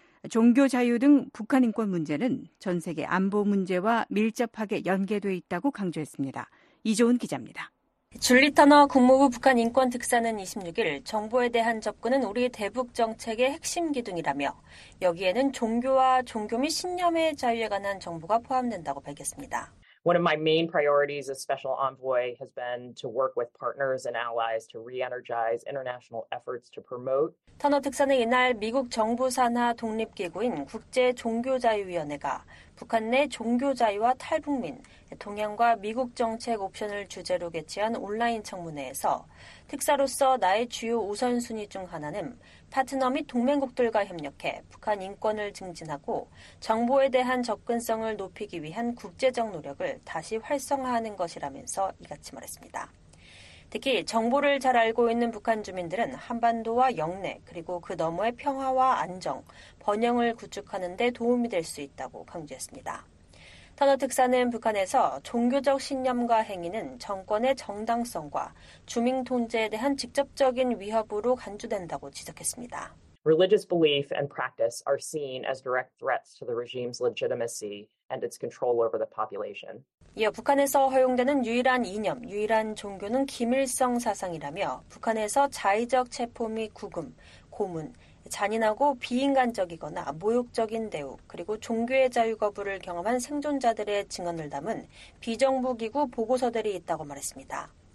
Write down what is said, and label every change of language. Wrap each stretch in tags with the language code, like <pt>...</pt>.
<ko>종교 자유 등 북한인권 문제는 전 세계 안보 문제와 밀접하게 연계돼 있다고 강조했습니다. 이조은 기자입니다. 줄리 터너 국무부 북한인권특사는 26일 정보에 대한 접근은 우리 대북정책의 핵심 기둥이라며 여기에는 종교와 종교 및 신념의 자유에 관한 정보가 포함된다고 밝혔습니다.</ko> <en>One of my main priorities as special envoy has been to work with partners and allies to re-energize international efforts to promote.</en> <ko>터너 특사는 이날 미국 정부 산하 독립기구인 국제종교자유위원회가 북한 내 종교자유와 탈북민, 동향과 미국 정책 옵션을 주제로 개최한 온라인 청문회에서 특사로서 나의 주요 우선순위 중 하나는 파트너 및 동맹국들과 협력해 북한 인권을 증진하고 정보에 대한 접근성을 높이기 위한 국제적 노력을 다시 활성화하는 것이라면서 이같이 말했습니다. 특히 정보를 잘 알고 있는 북한 주민들은 한반도와 영내 그리고 그 너머의 평화와 안정, 번영을 구축하는 데 도움이 될 수 있다고 강조했습니다. 터너 특사는 북한에서 종교적 신념과 행위는 정권의 정당성과 주민 통제에 대한 직접적인 위협으로 간주된다고 지적했습니다.</ko> <en>Religious belief and practice are seen as direct threats to the regime's legitimacy and its control over the population.</en> <ko>이어 북한에서 허용되는 유일한 이념, 유일한 종교는 김일성 사상이라며 북한에서 자의적 체포 및 구금, 고문, 잔인하고 비인간적이거나 모욕적인 대우 그리고 종교의 자유 거부를 경험한 생존자들의 증언을 담은 비정부기구 보고서들이 있다고 말했습니다.</ko>